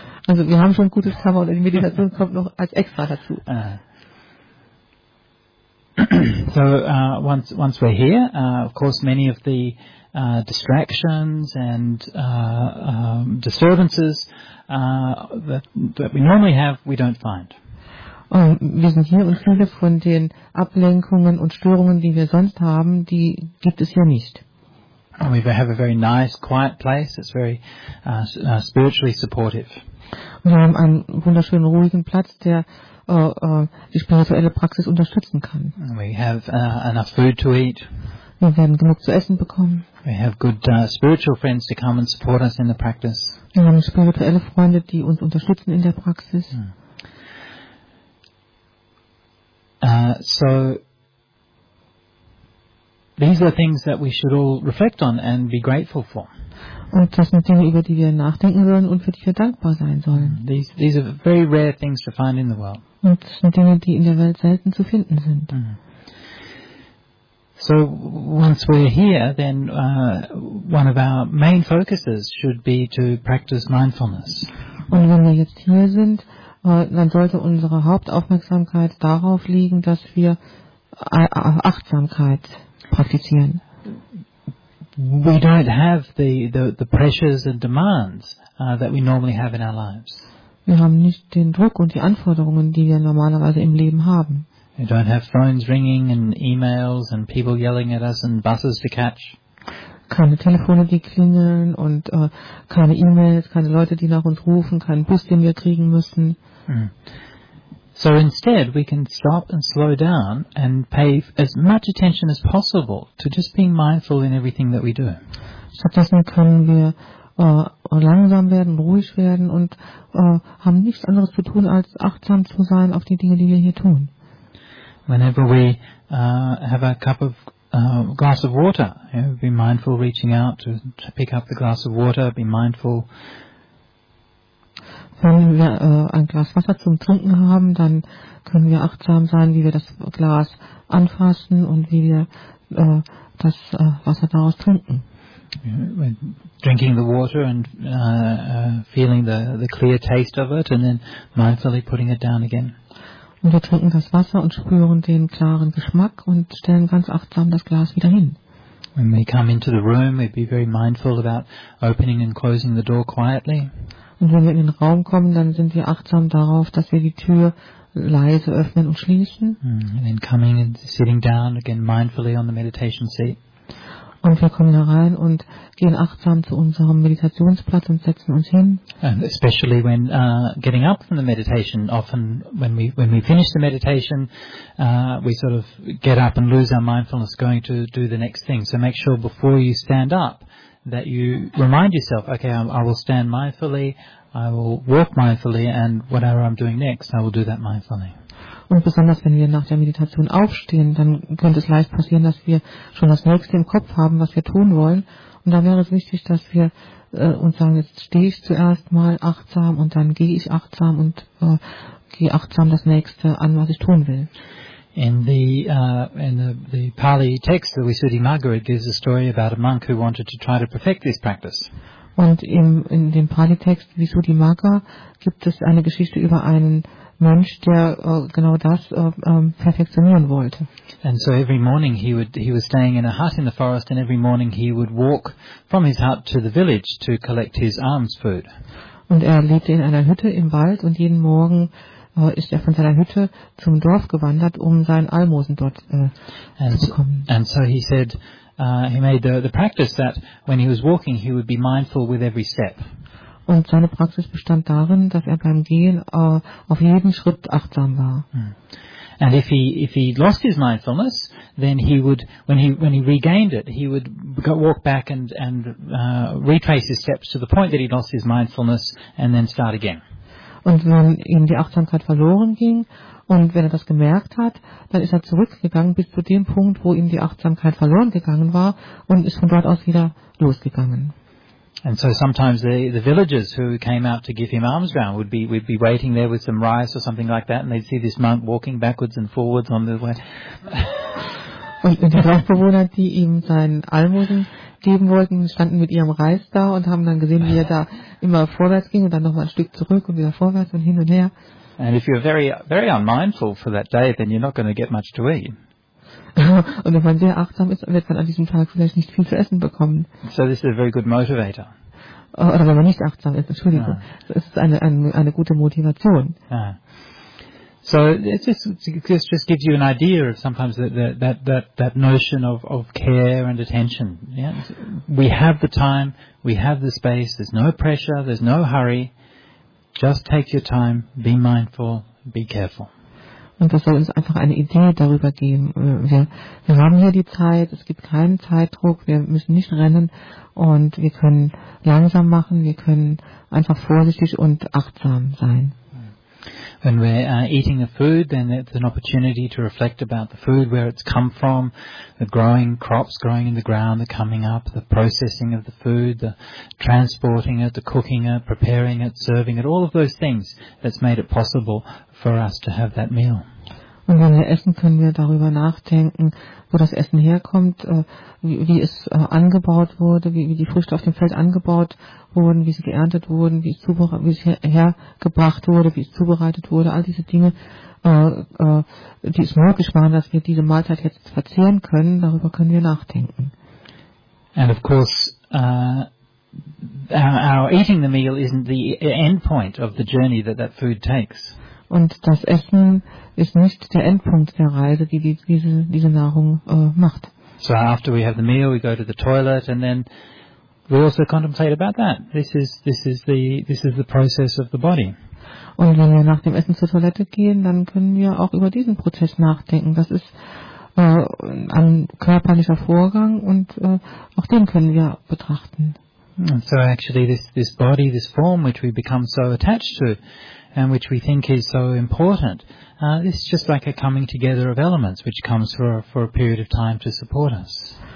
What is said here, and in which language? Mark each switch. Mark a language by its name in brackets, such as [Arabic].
[German] Also, wir haben schon gutes Karma und die Meditation kommt noch als extra dazu. [English] So once we're here, of course, many of the distractions and disturbances that we normally have, we don't find. [German] Wir sind hier und viele von den Ablenkungen und Störungen, die wir sonst haben, die gibt es hier nicht. [English] We have a very nice, quiet place. It's very spiritually supportive. [German] Und wir haben einen wunderschönen, ruhigen Platz, der die spirituelle Praxis unterstützen kann. [English] We have enough food to eat. [German] Wir werden genug zu essen bekommen. [English] We have good spiritual friends to come and support us in the practice. [German] Wir haben spirituelle Freunde, die uns unterstützen in der Praxis. Mm. [English] So these are things that we should all reflect on and be grateful for. [German] Und das sind Dinge, über die wir nachdenken sollen und für die wir dankbar sein sollen. [English] These are very rare things to find in the world. [German] Und das sind Dinge, die in der Welt selten zu finden sind. Mm. [English] So once we're here, then one of our main focuses should be to practice mindfulness. [German] Und wenn wir jetzt hier sind, dann sollte unsere Hauptaufmerksamkeit darauf liegen, dass wir Achtsamkeit praktizieren. [English] We don't have the pressures and demands that we normally have in our lives. [German] Wir haben nicht den Druck und die Anforderungen, die wir normalerweise im Leben haben. [English] We don't have phones ringing and emails and people yelling at us and buses to catch. [German] Keine Telefone, die klingeln und keine E-Mails, keine Leute, die nach uns rufen, keinen Bus, den wir kriegen müssen. Mm. [English] So instead we can stop and slow down and pay as much attention as possible to just being mindful in everything that we do. [German] Stattdessen können wir langsam werden, ruhig werden und haben nichts anderes zu tun, als achtsam zu sein auf die Dinge, die wir hier tun. [English] Whenever we have a cup of glass of water, you know, be mindful reaching out to pick up the glass of water, be mindful. [German] Wenn wir ein Glas Wasser zum Trinken haben, dann können wir achtsam sein, wie wir das Glas anfassen und wie wir das Wasser daraus trinken. [English] Yeah, drinking the water and feeling the clear taste of it and then mindfully putting it down again. [German] Und wir trinken das Wasser und spüren den klaren Geschmack und stellen ganz achtsam das Glas wieder hin. [English] When we come into the room, we'd be very mindful about opening and closing the door quietly. [German] Und wenn wir in den Raum kommen, dann sind wir achtsam darauf, dass wir die Tür leise öffnen und schließen. [English] And then coming and sitting down again mindfully on the meditation seat. [German] Und wir kommen herein und gehen achtsam zu unserem Meditationsplatz und setzen uns hin. [English] And especially when getting up from the meditation, often when we finish the meditation, we sort of get up and lose our mindfulness going to do the next thing. So make sure before you stand up that you remind yourself, okay, I will stand mindfully, I will walk mindfully, and whatever I'm doing next, I will do that mindfully. [German] Und besonders wenn wir nach der Meditation aufstehen, dann könnte es leicht passieren, dass wir schon das Nächste im Kopf haben, was wir tun wollen. Und da wäre es wichtig, dass wir uns sagen, jetzt stehe ich zuerst mal achtsam und dann gehe ich achtsam und gehe achtsam das Nächste an, was ich tun will. [English] In the Pali text, the Visuddhimagga, it gives a story about a monk who wanted to try to perfect this practice. [German] Und in dem Pali-Text Visuddhimagga gibt es eine Geschichte über einen Mensch, der genau das perfektionieren wollte. [English] And so every morning he was staying in a hut in the forest, and every morning he would walk from his hut to the village to collect his alms food. [German] Und er lebte in einer Hütte im Wald, und jeden Morgen ist er von seiner Hütte zum Dorf gewandert, um sein Almosen dort zu bekommen. [English] And so he said, he made the practice that when he was walking, he would be mindful with every step. [German] Und seine Praxis bestand darin, dass er beim Gehen auf jeden Schritt achtsam war. [English] And if he lost his mindfulness, then he would, when he regained it, he would go walk back and retrace his steps to the point that he lost his mindfulness, and then start again. [German] Und wenn ihm die Achtsamkeit verloren ging, und wenn er das gemerkt hat, dann ist er zurückgegangen bis zu dem Punkt, wo ihm die Achtsamkeit verloren gegangen war, und ist von dort aus wieder losgegangen. [English] And so sometimes the villagers who came out to give him alms round would be waiting there with some rice or something like that, and they'd see this monk walking backwards and forwards on the way. [German] Und die Dorfbewohner, die ihm sein Almosen geben wollten, standen mit ihrem Reis da und haben dann gesehen, wie er da immer vorwärts ging und dann nochmal ein Stück zurück und wieder vorwärts und hin und her. [English] And if you're very, very unmindful for that day, then you're not going to get much to eat. [German] Und wenn man sehr achtsam ist, wird man an diesem Tag vielleicht nicht viel zu essen bekommen. [English] So this is a very good motivator. [German] Oder wenn man nicht achtsam ist, Entschuldigung. Ah. Das ist eine gute Motivation. Ah. [English] So this just gives you an idea of sometimes that notion of care and attention. Yeah? So we have the time, we have the space, there's no pressure, there's no hurry. Just take your time, be mindful, be careful. [German] Und das soll uns einfach eine Idee darüber geben. Wir haben hier die Zeit, es gibt keinen Zeitdruck, wir müssen nicht rennen, und wir können langsam machen, wir können einfach vorsichtig und achtsam sein. [English] When we're eating a food, then it's an opportunity to reflect about the food, where it's come from, the growing crops growing in the ground, the coming up, the processing of the food, the transporting it, the cooking it, preparing it, serving it, all of those things that's made it possible for us to have that meal. [German] Und wenn wir essen, können wir darüber nachdenken, wo das Essen herkommt, wie es angebaut wurde, wie die Früchte auf dem Feld angebaut wurden, wie sie geerntet wurden, wie es hergebracht wurde, wie es zubereitet wurde. All diese Dinge, die es möglich machen, dass wir diese Mahlzeit jetzt verzehren können, darüber können wir nachdenken. [English] And of course, our eating the meal isn't the end point of the journey that food takes. [German] Und das Essen ist nicht der Endpunkt der Reise, die diese Nahrung macht. [English] So after we have the meal, we go to the toilet, and then we also contemplate about that. This is the process of the body. [German] Und wenn wir nach dem Essen zur Toilette gehen, dann können wir auch über diesen Prozess nachdenken. Das ist ein körperlicher Vorgang, und auch den können wir betrachten. [English] And so actually this body, this form, which we become so attached to, and which we think is so important, this is just like a coming together of elements, which comes for a period of time to support us.